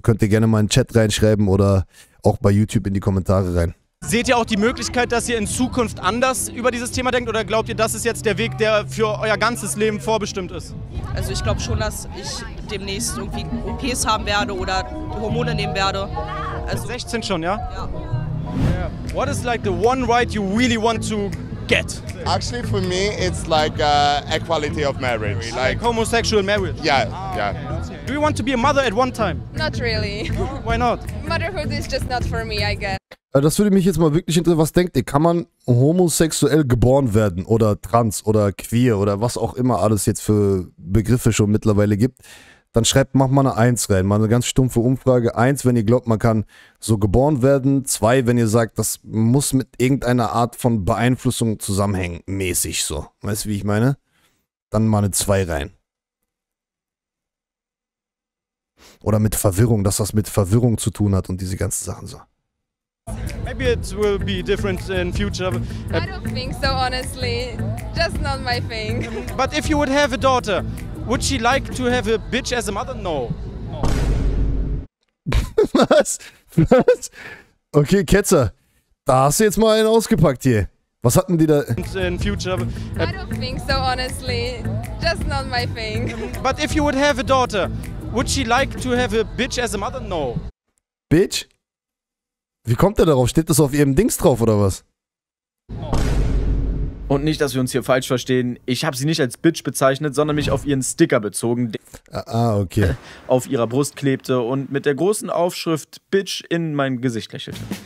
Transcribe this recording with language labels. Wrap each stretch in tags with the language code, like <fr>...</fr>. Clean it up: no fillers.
<de>Könnt ihr gerne mal in den Chat reinschreiben oder auch bei YouTube in die Kommentare rein. Seht ihr auch die Möglichkeit, dass ihr in Zukunft anders über dieses Thema denkt? Oder glaubt ihr, das ist jetzt der Weg, der für euer ganzes Leben vorbestimmt ist? Also ich glaube schon, dass ich demnächst irgendwie OPs haben werde oder Hormone nehmen werde. Also 16 schon, ja? Ja.</de> <en>Yeah. What is like the one right you really want to... get. Actually, for me, it's like equality of marriage. Like homosexual marriage? Yeah, oh, yeah. Okay. Do you want to be a mother at one time? Not really. Why not? Motherhood is just not for me, I guess.</en> <de>Das würde mich jetzt mal wirklich interessieren. Was denkt ihr? Kann man homosexuell geboren werden oder trans oder queer oder was auch immer alles jetzt für Begriffe schon mittlerweile gibt? Dann schreibt, mach mal eine 1 rein, mal eine ganz stumpfe Umfrage. 1, wenn ihr glaubt, man kann so geboren werden. 2, wenn ihr sagt, das muss mit irgendeiner Art von Beeinflussung zusammenhängen, mäßig so. Weißt du, wie ich meine? Dann mal eine 2 rein. Oder mit Verwirrung, dass das mit Verwirrung zu tun hat und diese ganzen Sachen so.</de> <en>Maybe it will be different in future. I don't think so, honestly. Just not my thing. But if you would have a daughter, would she like to have a bitch as a mother? No.</en> <de>Was? Was? Okay, Ketzer. Da hast du jetzt mal einen ausgepackt hier. Was hatten die da?</de> <en>In future. I don't think so, honestly. Just not my thing. But if you would have a daughter, would she like to have a bitch as a mother? No.</en> <de>Bitch? Wie kommt der darauf? Steht das auf ihrem Dings drauf oder was? Und nicht, dass wir uns hier falsch verstehen. Ich habe sie nicht als Bitch bezeichnet, sondern mich auf ihren Sticker bezogen. Okay. Auf ihrer Brust klebte und mit der großen Aufschrift Bitch in mein Gesicht lächelte.</de>